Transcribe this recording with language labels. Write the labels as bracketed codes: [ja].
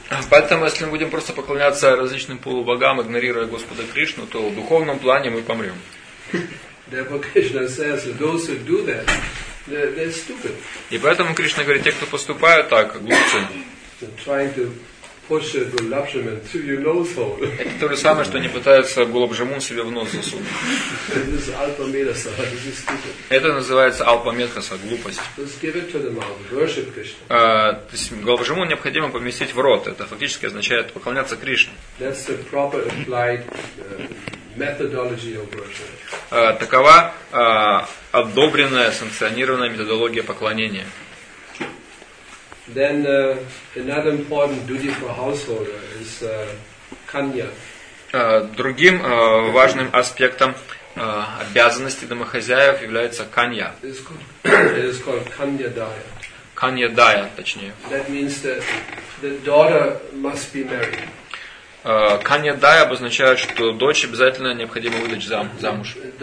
[ru] Поэтому если мы будем просто поклоняться различным полубогам, игнорируя Господа Кришну, то в духовном плане мы помрем. [en] Therefore, Krishna says that those who do that, they're stupid. [ru] И поэтому Кришна говорит, те, кто поступают так, глупцы. [en] Trying to push a gulabjamun through your nose hole. [ru] Это то же самое, что они пытаются гулабжамун себе в нос засунуть. [en] This is alpametha. This is stupid. [ru] Это называется алпаметхаса, глупость. [en] Just give it to the mouth. Worship Krishna. [ru] То есть гулабжамун необходимо поместить в рот. Это фактически означает поклоняться Кришне. [en] That's the proper applied. Methodology of worship. [ru] Такова одобренная, санкционированная методология поклонения. [en] Then another important duty for household is kanya. [ru] Другим важным аспектом обязанности домохозяев является канья. [en] It's called kanyadaya. [ru] Kanyadaya, точнее. [en] That means that the daughter must be married. [ru] Канья дай обозначает, что дочь обязательно необходимо выдать замуж.